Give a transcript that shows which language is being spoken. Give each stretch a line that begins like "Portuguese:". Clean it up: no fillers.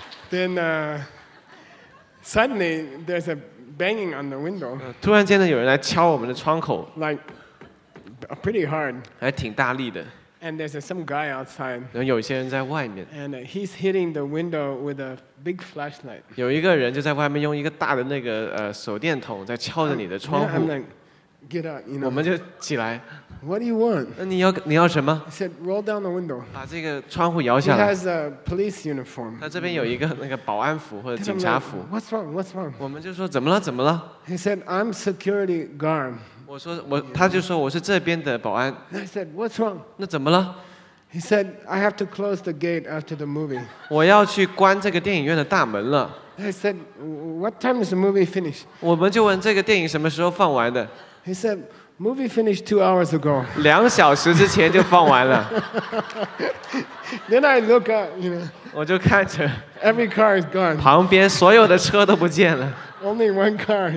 English: Then suddenly there's a banging on the window.
Chinese: 突然间呢，有人来敲我们的窗口。
English: Like pretty hard.
Chinese: 还挺大力的。
English: And there's some guy outside.
Chinese: 然后有些人在外面。
English: And he's hitting the window with a big flashlight.
Chinese: 有一个人就在外面用一个大的那个手电筒在敲着你的窗户。
English: I'm like, get up, you know.
Chinese: 我们就起来。
English: What do you want?
Chinese: 那你要什么？
English: He said, roll down the window.
Chinese: 把这个窗户摇下来。
English: He has a police uniform.
Chinese: 他这边有一个那个保安服或者警察服。
English: What's wrong? What's wrong?
Chinese: 我们就说怎么了？怎么了？
English: He said, I'm security guard.
Chinese: 他就说我是这边的保安。
English: I said, "What's wrong?"
Chinese: 那怎么了
English: ？He said, "I have to close the gate after the movie."
Chinese: 我要去关这个电影院的大门了。
English: I said, "What time is the movie finish?"
Chinese: 我们就问这个电影什么时候放完的。
English: He said, "Movie finished 2 hours ago."
Chinese: 2小时之前就放完了。
English: Then I look up, you know.
Chinese: 我就看着。
English: Every car is gone.
Chinese: 旁边所有的车都不见了。
English: Only one car.